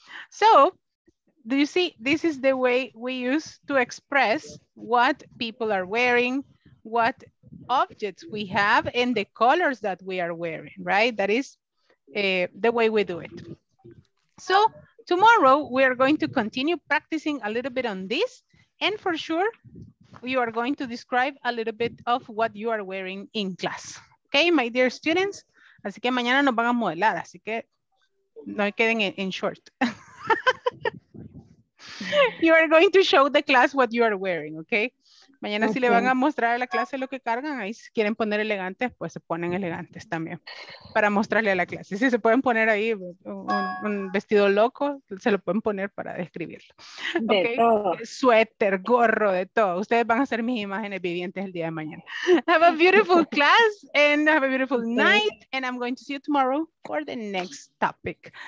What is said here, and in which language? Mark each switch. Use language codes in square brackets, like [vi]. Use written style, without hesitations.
[en] So, do you see, this is the way we use to express what people are wearing, what objects we have, and the colors that we are wearing, right? That is the way we do it. So tomorrow, we are going to continue practicing a little bit on this. And for sure, you are going to describe a little bit of what you are wearing in class. Okay, my dear students? [es] Así que mañana nos van a modelar, así que no queden en short. [en] You are going to show the class what you are wearing, okay? [es] Mañana okay. Si le van a mostrar a la clase lo que cargan, ahí si quieren poner elegantes, pues se ponen elegantes también para mostrarle a la clase. Si se pueden poner ahí un vestido loco, se lo pueden poner para describirlo. Okay? De todo. Suéter, gorro, de todo. Ustedes van a ser mis imágenes vivientes el día de mañana. [en] Have a beautiful class and have a beautiful night. And I'm going to see you tomorrow for the next topic.